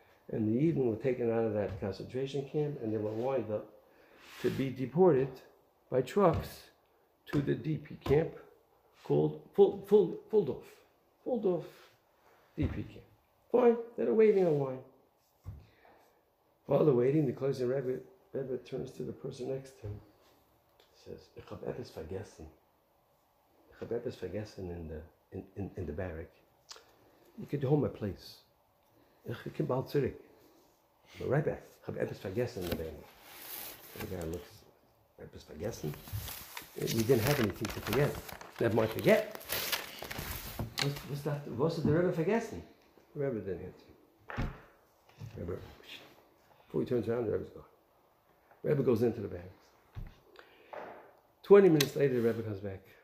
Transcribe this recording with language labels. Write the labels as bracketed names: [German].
[English] And the Yidden were taken out of that concentration camp and they were lined up to be deported by trucks to the DP camp called Fulldorf. Fulldorf DP camp. Fine, they're waiting in line. While they're waiting, the closing Rebbe turns to the person next to him. [German] Says, Ich hab etwas vergessen. Ich hab etwas vergessen [English] in the barrack. You could hold my place. [German] Ich kim bald zurück. [English] But right back. [German] Ich hab etwas vergessen [English] in the barrack. The guy looks, [German] etwas vergessen? [English] You didn't have anything to forget. Never mind forget. Was the Rebbe vergessen? The Rebbe didn't answer. Rebbe, before he turns around, the Rebbe's gone. Rebbe goes into the barrack. 20 minutes later, the Rebbe comes back.